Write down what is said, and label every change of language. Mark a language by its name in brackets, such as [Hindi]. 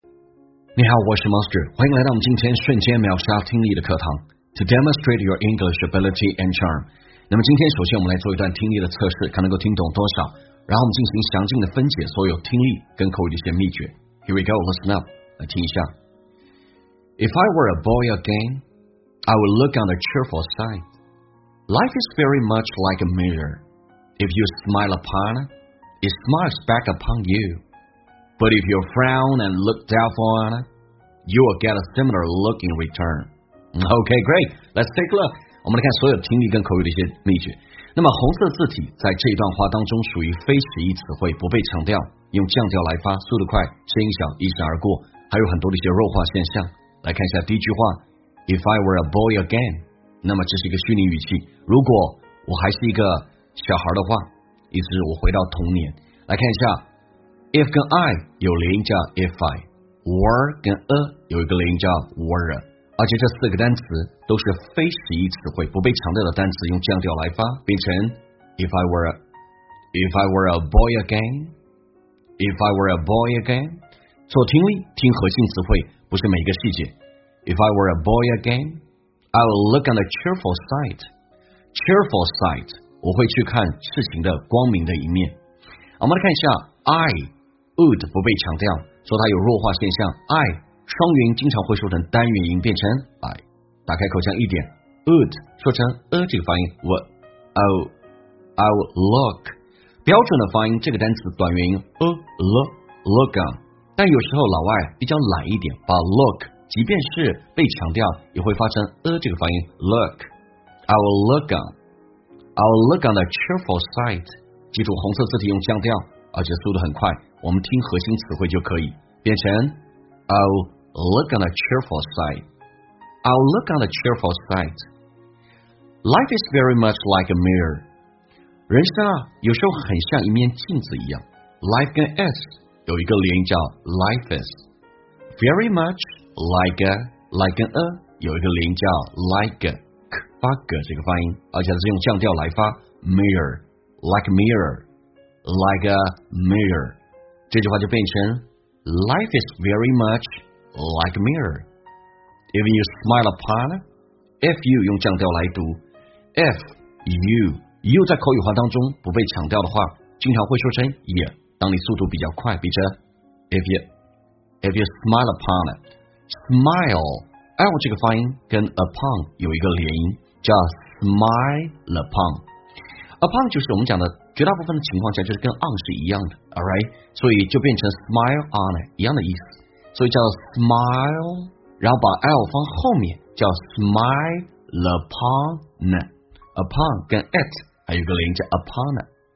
[Chinese] 你好，我是 Master， 欢迎来到我们今天瞬间秒杀听力的课堂 [English] To demonstrate your English ability and charm。 [Chinese] 那么今天首先我们来做一段听力的测试，看能够听懂多少，然后我们进行详尽的分解所有听力跟口语的一些秘诀。 [English] Here we go, listen up， [Chinese] 来听一下。 [English] If I were a boy again, I would look on the cheerful side. Life is very much like a mirror. If you smile upon it, it smiles back upon youBut if you frown and look doubtful on it, you will get a similar look in return. Okay, great. Let's take a look. [Chinese] 我们来看所有听力跟口语的一些秘诀。那么红色字体在这一段话当中属于非词义词汇，不被强调，用降调来发，速度快，声音小，一闪而过，还有很多的一些弱化现象。来看一下第一句话， [English] If I were a boy again, [Chinese] 那么这是一个虚拟语气，如果我还是一个小孩的话，意思是我回到童年。来看一下If 跟 I 有连音叫 If I， were 跟 a 有一个连音叫 were， 而且这四个单词都是非实义词汇，不被强调的单词，用降调来发，变成 [English] If I were a boy again， [Chinese] If I were a boy again， 做听力听核心词汇，不是每一个细节。 [English] If I were a boy again， I would look on the cheerful side， cheerful side， [Chinese] 我会去看事情的光明的一面。我们来看一下 I。 Would 不被强调，说它有弱化现象。I 双元音经常会说成单元音，变成 I。打开口腔一点 ，Would 说成 a 这个发音。I would look 标准的发音，这个单词短元音 look on。但有时候老外比较懒一点，把 look 即便是被强调，也会发成 a 这个发音 look。 [English] I would look on the cheerful side。 [Chinese] 记住红色字体用降调，而且速度很快。我们听核心词汇就可以变成 [English] I'll look on the cheerful side. Life is very much like a mirror. [Chinese] 人生啊，有时候很像一面镜子一样。 Life 跟 s 有一个连音叫 life is. Very much like 跟 a 有一个连音叫 like k 发 g 这个发音，而且是用降调来发 mirror like mirror like a mirror. 这句话就变成 [English] Life is very much like a mirror. If you smile upon it, [Chinese] if you 用降调来读 if you, you 在口语化当中不被强调的话，经常会说成 yeah, 当你速度比较快，比着 if you smile upon it, smile, L 这个发音跟 upon 有一个连音叫 smile upon. Upon 就是我们讲的绝大部分的情况下就是跟 on 是一样的 alright， 所以就变成 [English] smile on it [Chinese] 一样的意思，所以叫 smile， 然后把 l 放后面叫 smile upon it， upon 跟 it 还有个连接 upon it，